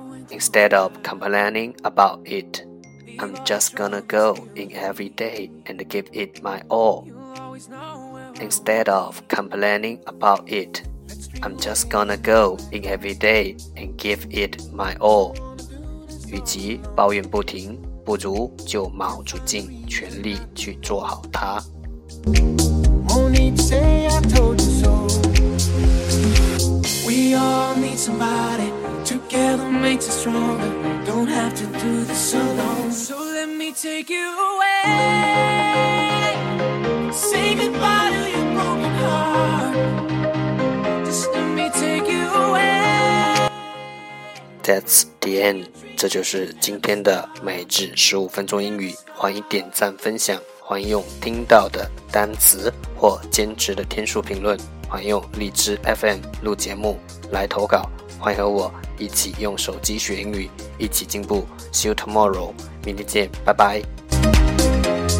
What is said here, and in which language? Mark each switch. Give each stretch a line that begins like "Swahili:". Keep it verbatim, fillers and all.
English: Instead of complaining about it, I'm just gonna go in every day and give it my all. Instead of complaining about it, I'm just gonna go in every day and give it my all.
Chinese: 与其抱怨不停，不如就卯足尽全力去做好它。
English: Won't need to say I told you so. We all need somebody. Together makes us stronger. Don't have to do this alone. So let me take you away. Say goodbye to your broken heart. Just let me take you away. That's the end.
Chinese: 这就是今天的每日十五分钟英语。欢迎点赞分享。欢迎用听到的单词或兼职的天数评论，欢迎用荔枝 F M 录节目来投稿，欢迎和我一起用手机学英语，一起进步。
English: See you tomorrow，
Chinese: 明天见，拜拜。